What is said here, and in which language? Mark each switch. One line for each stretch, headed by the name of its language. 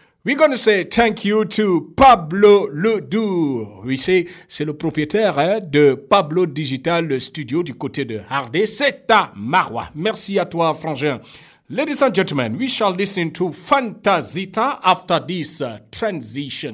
English: We're going to say thank you to Pablo Ledoux. We say
French: c'est le propriétaire de Pablo Digital Studio du côté de Hardé. C'est à Marois. Merci à toi, frangin.
English: Ladies and gentlemen, we shall listen to Fantasita after this transition.